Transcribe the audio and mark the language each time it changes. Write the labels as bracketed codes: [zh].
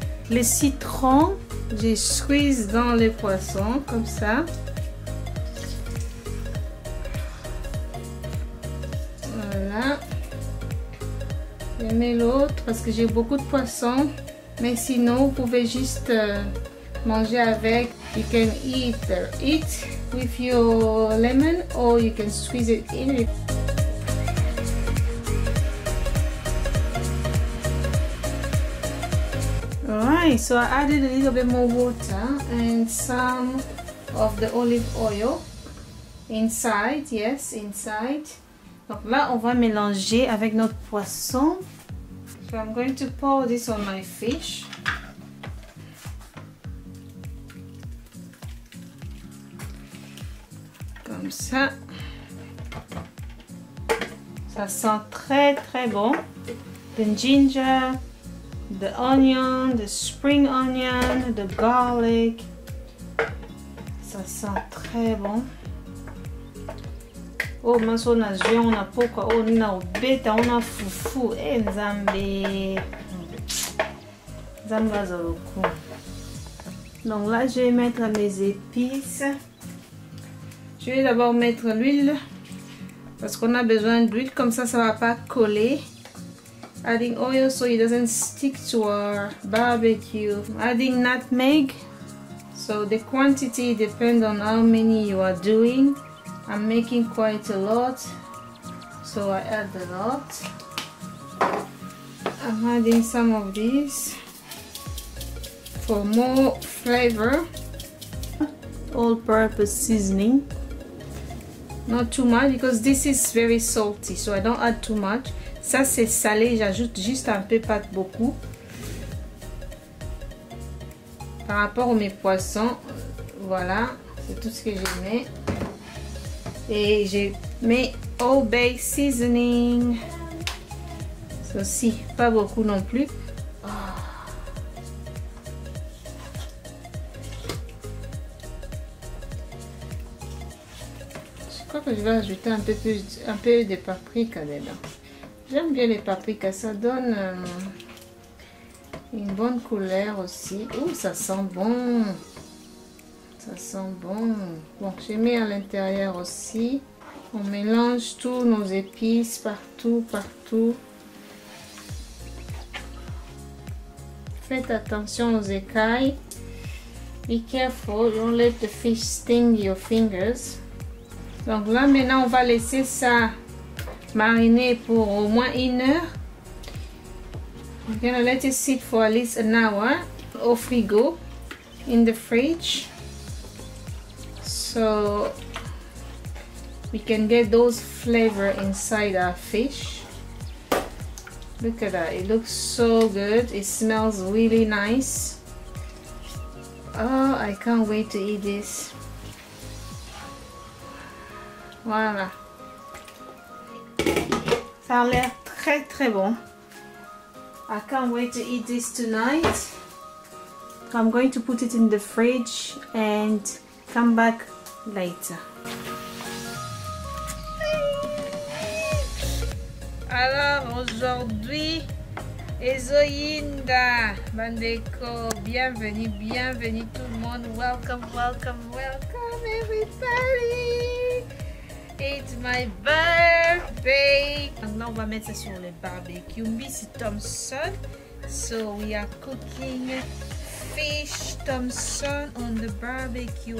[fr] Les citrons, je squeeze dans les poissons comme ça. Voilà. Je mets l'autre parce que j'ai beaucoup de poissons. Mais sinon, vous pouvez juste manger avec. [en] You can either eat with your lemon or you can squeeze it in it. Alright, so I added a little bit more water and some of the olive oil inside, yes, inside. [fr] Donc là, on va mélanger avec notre poisson. [en] So I'm going to pour this on my fish. [fr] Comme ça. Ça sent très très bon. [en] The ginger. The onion, the spring onion, the garlic. [fr] Ça sent très bon. [ln] Oh, mais on a zion, on a poko, oh, on a beta, on a fufu, eh, nzambe. Nzambe za loko. [fr] Donc là, je vais mettre mes épices. Je vais d'abord mettre l'huile. Parce qu'on a besoin d'huile, comme ça, ça ne va pas coller. [en] Adding oil so it doesn't stick to our barbecue. Adding nutmeg. So the quantity depends on how many you are doing. I'm making quite a lot. So I add a lot. I'm adding some of this for more flavor. All purpose seasoning. Not too much because this is very salty. So I don't add too much. [fr] Ça c'est salé, j'ajoute juste un peu, pas beaucoup. par rapport à mes poissons. Voilà, c'est tout ce que je mets. Et je mets Old Bay Seasoning. Ça aussi, pas beaucoup non plus. Je crois que je vais ajouter un peu plus, un peu de paprika dedans. J'aime bien les paprikas, ça donne une bonne couleur aussi. Ouh, ça sent bon. Ça sent bon. Bon, j'ai mis à l'intérieur aussi. On mélange tous nos épices partout, partout. Faites attention aux écailles. [en] Be careful, don't let the fish sting your fingers. [fr] Donc là, maintenant, on va laisser ça mariner pour au moins une heure. [en] We're gonna let it sit for at least an hour [fr] au frigo, [en] in the fridge. So we can get those flavor inside our fish. Look at that, it looks so good. It smells really nice. Oh, I can't wait to eat this. [fr] Voilà. Ça a l'air très très bon. [en] I can't wait to eat this tonight. I'm going to put it in the fridge and come back later. [fr] Alors aujourd'hui, [ln] Ezoyinda Bandeko, [fr] bienvenue, bienvenue tout le monde. [en] Welcome, welcome, welcome everybody. It's my birthday. [fr] Maintenant, on va mettre ça sur le barbecue. [en] Miss Thompson. So we are cooking fish Thompson on the barbecue.